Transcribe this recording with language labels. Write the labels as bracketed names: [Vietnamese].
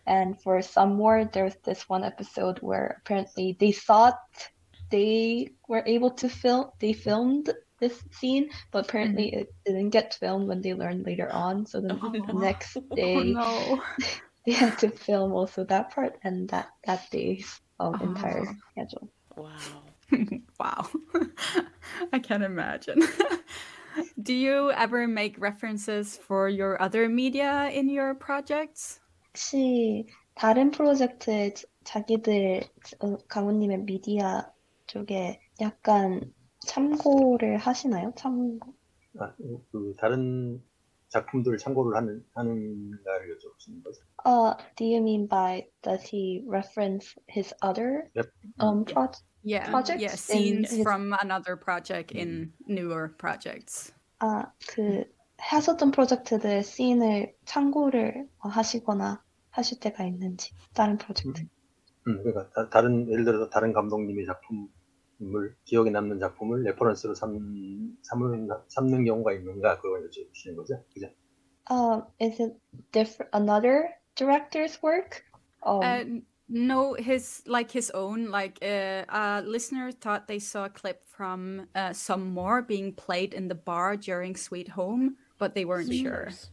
[English] And for some more, there was this one episode where apparently they thought they were able to film, they filmed this scene, but apparently it didn't get filmed when they learned later on, so the next day they had to film also that part and that day's entire schedule. Wow. I can't imagine. Do you ever make references for your other media in your projects? [Korean] 혹시 다른 프로젝트에 자기들 강우님의 미디어 쪽에 약간 참고를 하시나요? 참고. 아, 그 다른 작품들 참고를 하는가를 여쭤보시는 거죠? [English] Do you mean by does he reference his other projects? Yeah, project? Yeah, scenes in from his... another project in newer projects. [Korean] 아, 그 했었던 프로젝트들 씬을 참고를 하시거나 하실 때가 있는지 다른 프로젝트. 그러니까 다른 예를 들어서 다른 감독님의 작품을 기억에 남는 작품을 레퍼런스로 삼는 경우가 있는가 그걸 여쭤보시는 거죠, 그죠? [English] Is it different another director's work? No, his like his own, like a listener thought they saw a clip from Some More being played in the bar during Sweet Home, but they weren't sure.